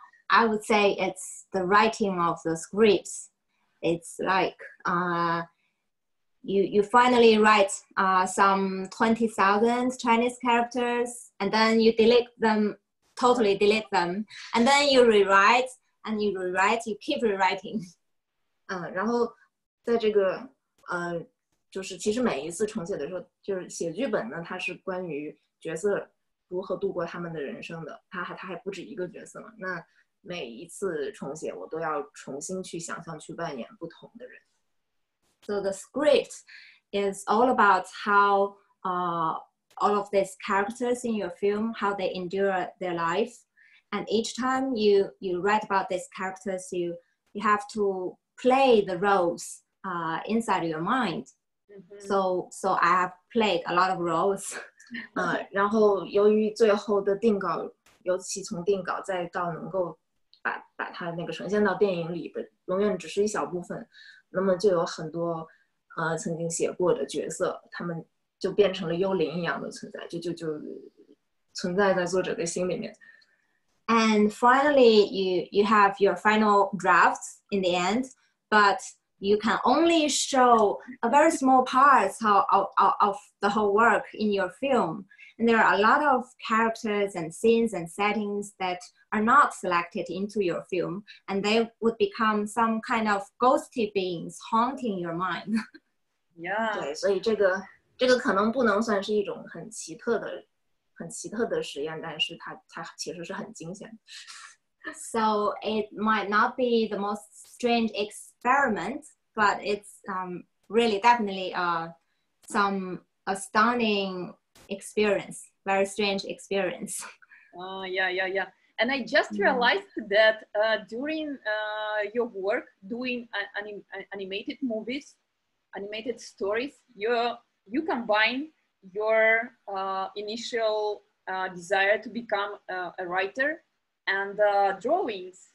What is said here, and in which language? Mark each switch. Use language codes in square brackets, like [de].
[en] I would say it's the writing of the scripts. It's like you finally write some 20,000 Chinese characters, and then you delete them, and then you rewrite, you keep rewriting. [zh] 然后在这个就是其实每一次重写的时候，就是写剧本呢，它是关于角色如何度过他们的人生的，它还不止一个角色嘛。那每一次重写，我都要重新去想象去扮演不同的人。 [en] So the script is all about how all of these characters in your film, how they endure their life. And each time you write about these characters, you have to play the roles inside your mind. Mm-hmm. So I have played a lot of roles. [zh] 然后由于最后的定稿，尤其从定稿再到能够把它那个呈现到电影里的，永远只是一小部分，那么就有很多曾经写过的角色，他们就变成了幽灵一样的存在，就存在在作者的心里面。 [en] And finally, you have your final drafts in the end, but you can only show a very small part of the whole work in your film. And there are a lot of characters and scenes and settings that are not selected into your film, and they would become some kind of ghosty beings haunting your mind. Yeah. [zh] 对，所以这个可能不能算是一种很奇特的实验，但是它其实是很惊险。 [en] So it might not be the most strange experiment, but it's really definitely some a stunning experience, very strange experience. Yeah. And I just realized that during your work doing animated movies, animated stories, you combine your initial desire to become a writer and drawings.